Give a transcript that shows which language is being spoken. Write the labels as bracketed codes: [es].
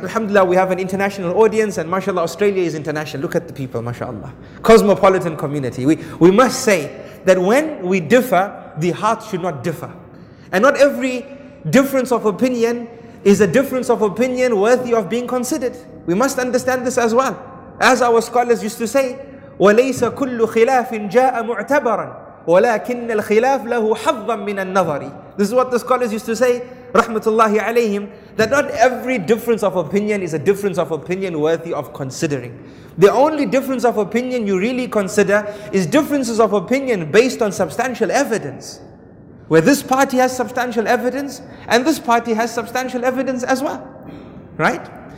[en] Alhamdulillah, we have an international audience, and mashallah, Australia is international. Look at the people, mashallah. Cosmopolitan community. We must say that when we differ, the heart should not differ. And not every difference of opinion is a difference of opinion worthy of being considered. We must understand this as well. As our scholars used to say, [ar] وَلَيْسَ كُلُّ خِلَافٍ جَاءَ مُعْتَبَرًا وَلَكِنَّ الْخِلَافَ لَهُ حَظًّا مِنَ النَّظَرِ. [en] This is what the scholars used to say, rahmatullahi alayhim, that not every difference of opinion is a difference of opinion worthy of considering. The only difference of opinion you really consider is differences of opinion based on substantial evidence, where this party has substantial evidence and this party has substantial evidence as well. Right?